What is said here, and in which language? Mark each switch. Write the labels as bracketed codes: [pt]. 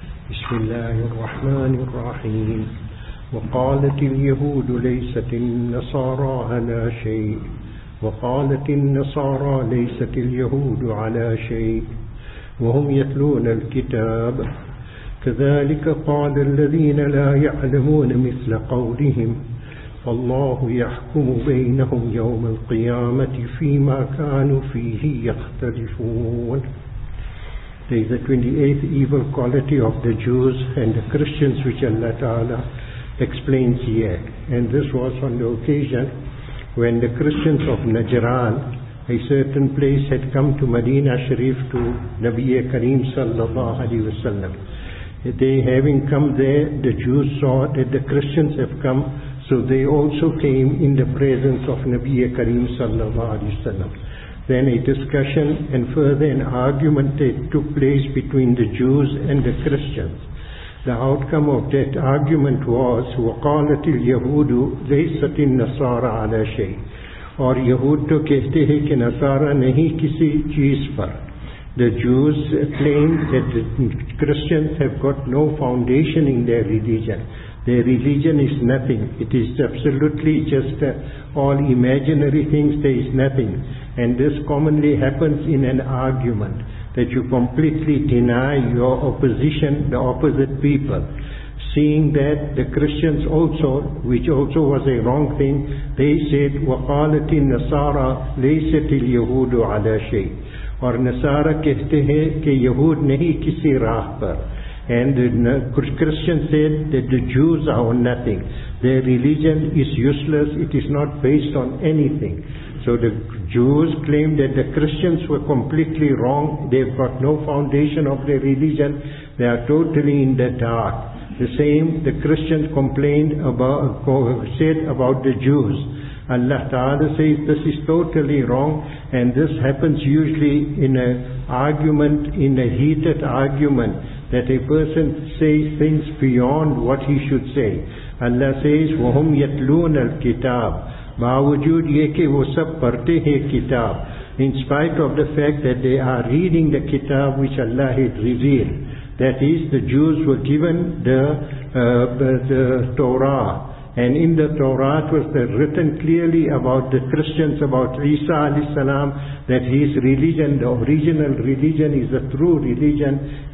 [ar] بسم الله الرحمن الرحيم. وقالت اليهود ليست النصارى على شيء، وقالت النصارى ليست اليهود على شيء، وهم يتلون الكتاب. كذلك قال الذين لا يعلمون مثل قولهم، فالله يحكم بينهم يوم القيامة فيما كانوا فيه يختلفون. [en] There is the 28th evil quality of the Jews and the Christians which Allah Ta'ala explains here. And this was on the occasion when the Christians of Najran, a certain place, had come to Medina Sharif to Nabi Kareem Sallallahu Alaihi Wasallam. They having come there, the Jews saw that the Christians have come, so they also came in the presence of Nabi Kareem Sallallahu Alaihi Wasallam. Then a discussion and further an argument took place between the Jews and the Christians. The outcome of that argument was, [ar] وَقَالَتِ الْيَهُودُ لَيْسَتِ النَّصَارَ عَلَى شَيْءٍ. [ur] اور یہود تو کہتے ہیں کہ نصارہ نہیں کسی چیز پر. [en] The Jews claim that the Christians have got no foundation in their religion. Their religion is nothing. It is absolutely just all imaginary things. There is nothing. And this commonly happens in an argument, that you completely deny your opposition, the opposite people. Seeing that the Christians also, which also was a wrong thing, they said, [ar] وَقَالَتِ النَّصَارَى لَيْسَتِ الْيَهُودُ عَلَى شَيْءٍ. [en] اور نصارہ کہتے ہیں کہ یہود نہیں کسی راہ پر. And the Christians said that the Jews are on nothing. Their religion is useless. It is not based on anything. So the Jews claimed that the Christians were completely wrong. They've got no foundation of their religion. They are totally in the dark. The same the Christians complained about, said about the Jews. Allah Ta'ala says this is totally wrong, and this happens usually in an argument, in a heated argument, that a person says things beyond what he should say. Allah says, [ar] وَهُمْ يَتْلُونَ الْكِتَابِ [ur] بَاوَجُودْ يَكِ وَسَبْ پَرْتِهِ الْكِتَابِ. [en] In spite of the fact that they are reading the kitab which Allah had revealed, that is, the Jews were given the Torah. And in the Torah it was written clearly about the Christians, about Isa alayhi salam, that his religion, the original religion, is the true religion.